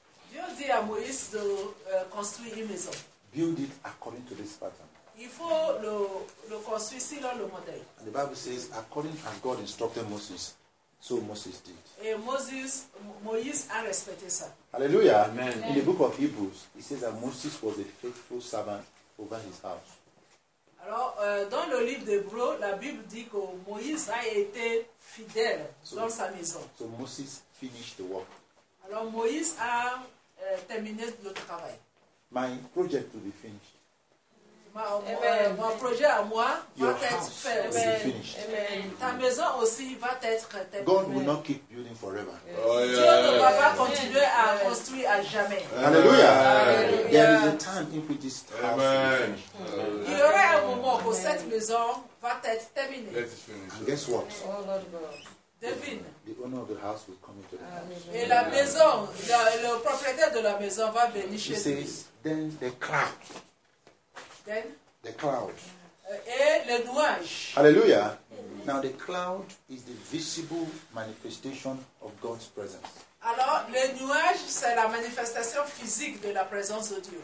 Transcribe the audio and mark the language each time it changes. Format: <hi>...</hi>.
<fr>Dieu dit à Moïse de construire une maison.</fr> <en>Build it according to this pattern.</en> <fr>Il faut le construire selon le modèle.</fr> <en>And the Bible says, according as God instructed Moses, so Moses did.</en> <fr>Et Moïse a respecté ça.</fr> <en>Hallelujah. Amen. In the book of Hebrews, it says that Moses was a faithful servant over his house.</en> <fr>Alors, dans le livre d'Hébreux, la Bible dit que Moïse a été fidèle dans sa maison.</fr> <en>So Moses finished the work.</en> <fr>Alors Moïse a terminé le travail.</fr> <en>My project to be finished.</en> <fr>Mon projet à moi</fr> <en>your</en> <fr>va être fait.</fr> <en>Amen. Be finished.</en> <fr>Amen. Ta maison aussi va être terminée.</fr> <en>God will not keep building forever. Yes. Oh, yeah.</en> <fr>Dieu ne va pas continuer à construire à jamais.</fr> <en>Hallelujah. Hallelujah. There is a time in which this house will be finished.</en> <fr>Il y aura un moment où cette maison va être terminée.</fr> <en>Let it finish. And guess what? Oh, Lord God. The owner of the house will come into the house.</en> <fr>Et la maison, le propriétaire de la maison va venir chez lui.</fr> <en>He says, then the cloud. Then? The cloud.</en> <fr>Et le nuage.</fr> <en>Hallelujah. Mm-hmm. Now the cloud is the visible manifestation of God's presence.</en> <fr>Alors, le nuage, c'est la manifestation physique de la présence de Dieu.</fr>